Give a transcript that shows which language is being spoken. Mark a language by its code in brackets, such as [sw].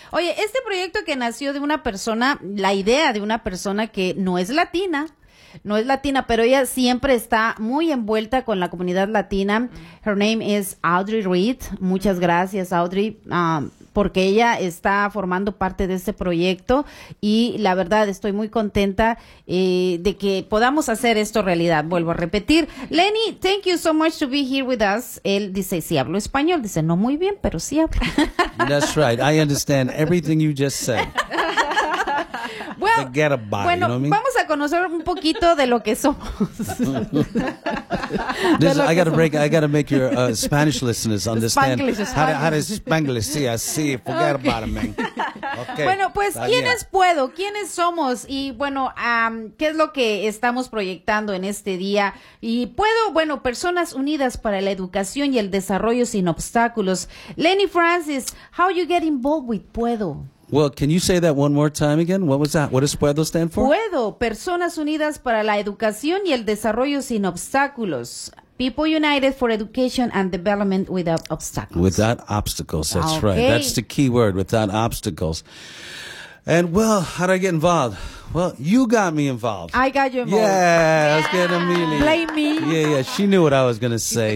[es] Oye, este proyecto que nació de una persona, la idea de una persona que no es latina, pero ella siempre está muy envuelta con la comunidad latina. [en] Her name is Audrey Reed. [es] Muchas gracias, Audrey, porque ella está formando parte de este proyecto y la verdad estoy muy contenta de que podamos hacer esto realidad. Vuelvo a repetir. [en] Lenny, thank you so much to be here with us. [es] Él dice, sí hablo español. Dice, no muy bien, pero sí hablo. [en] That's right. I understand everything you just said. Well, forget about, [es] bueno, [en] you know what I mean? [es] Vamos a conocer un poquito de lo que somos. [en] I gotta break. I gotta make your Spanish listeners understand Spanglish. How to Spanglish. [es] Sí, [en] forget, okay, about it, man. [es] Okay. Bueno, pues, ¿quiénes puedo? ¿Quiénes somos? Y, bueno, ¿qué es lo que estamos proyectando en este día? Y puedo, bueno, personas unidas para la educación y el desarrollo sin obstáculos. [en] Lenny Francis, how you get involved with Puedo? Well, can you say that one more time again? What was that? What does Puedo stand for? [es] Puedo, personas unidas para la educación y el desarrollo sin obstáculos. [en] People United for Education and Development Without Obstacles. Without obstacles, that's okay. Right. That's the key word, without obstacles. And, well, how did I get involved? Well, you got me involved. I got you involved. Yeah, I was getting Amelia. Blame me. Yeah, she knew what I was going to say.